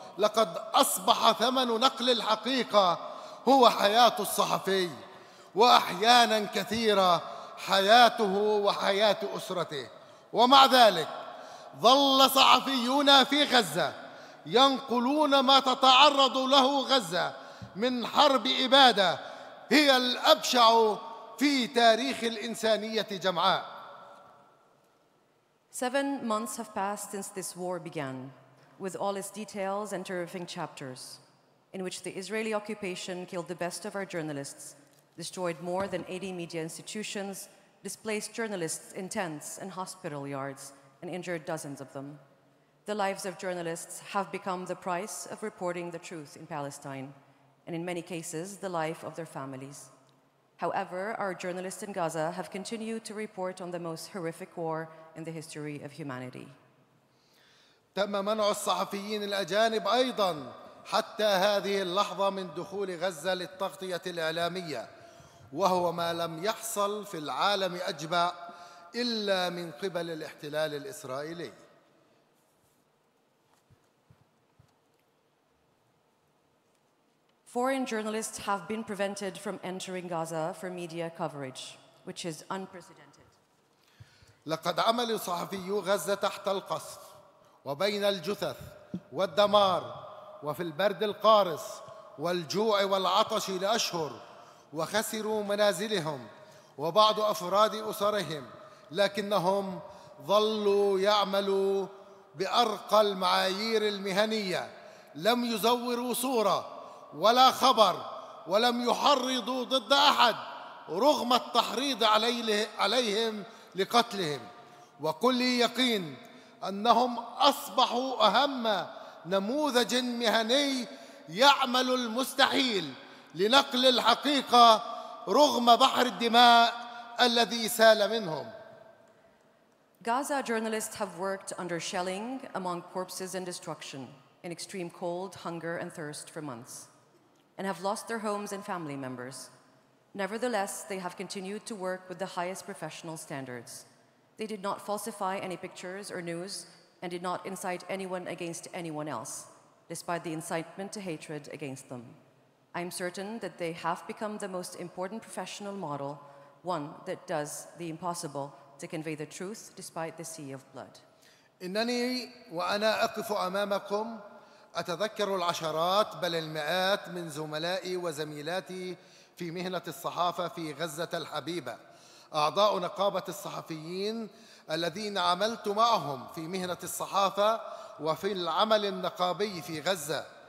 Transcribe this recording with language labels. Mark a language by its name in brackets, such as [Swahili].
[Arabic] لقد أصبح ثمن نقل الحقيقة هو حياة الصحفي، وأحياناً كثيرة حياته وحياة أسرته. ومع ذلك ظل صحفيون في غزة ينقلون ما تتعرض له غزة من حرب إبادة هي الأبشع في تاريخ الإنسانية جمعاء. [English] 7 months have passed since this war began, with all its details and terrifying chapters, in which the Israeli occupation killed the best of our journalists, destroyed more than 80 media institutions, displaced journalists in tents and hospital yards, and injured dozens of them. The lives of journalists have become the price of reporting the truth in Palestine, and in many cases, the life of their families. However, our journalists in Gaza have continued to report on the most horrific war in the history of humanity. [Arabic] تم منع الصحفيين الأجانب أيضاً حتى هذه اللحظة من دخول غزة للتغطية الإعلامية، وهو ما لم يحصل في العالم أجمع إلا من قبل الاحتلال الإسرائيلي. [English] Foreign journalists have been prevented from entering Gaza for media coverage, which is unprecedented. [Arabic] لقد عمل صحفيو غزة تحت القصف وبين الجثث والدمار وفي البرد القارس والجوع والعطش لأشهر، وخسروا منازلهم وبعض أفراد أسرهم، لكنهم ظلوا يعملوا بأرقى المعايير المهنية. لم يزوروا صورة ولا خبر، ولم يحرضوا ضد أحد رغم التحريض عليهم لقتلهم. وكل يقين أنهم أصبحوا أهم نموذج مهني يعمل المستحيل لنقل الحقيقة رغم بحر الدماء الذي سال منهم. [English] Gaza journalists have worked under shelling, among corpses and destruction, in extreme cold, hunger and thirst for months, and have lost their homes and family members. Nevertheless, they have continued to work with the highest professional standards. They did not falsify any pictures or news and did not incite anyone against anyone else, despite the incitement to hatred against them. I am certain that they have become the most important professional model, one that does the impossible to convey the truth despite the sea of blood. [Arabic] إنني وأنا أقف أمامكم أتذكر العشرات بل المئات من زملائي وزميلاتي في مهنة الصحافة في غزة الحبيبة، أعضاء نقابة الصحفيين الذين عملت معهم في مهنة الصحافة وفي العمل النقابي في غزة.